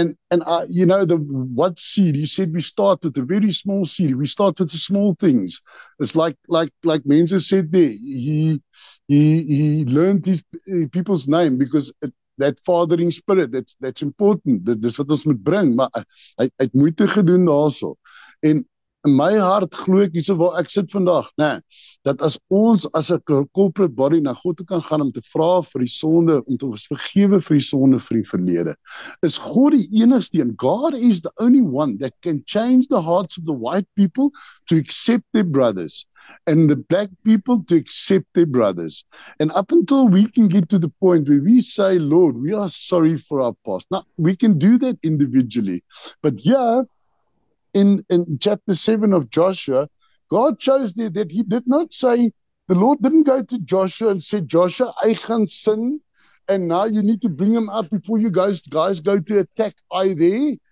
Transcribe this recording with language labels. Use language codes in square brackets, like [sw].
[en] And the what seed? He said we start with a very small seed. We start with the small things. It's like Menzo said there. He learned his people's name because that fathering spirit, that's important. That's what [af] ons moet bring. Maar hy het moeite gedoen daarso. En my hart glo ek hierso waar ek sit vandag, né, dat as ons as 'n corporate body na God toe kan gaan om te vra vir die sonde, om te vergewe vir die sonde vir die verlede, is God die enigste een. [en] God is the only one that can change the hearts of the white people to accept their brothers and the black people to accept their brothers. And up until we can get to the point where we say, Lord, we are sorry for our past. Now, we can do that individually, but yeah, In chapter 7 of Joshua, God chose there that he did not say, the Lord didn't go to Joshua and say, Joshua, I can sin, and now you need to bring him up before you guys go to attack I there.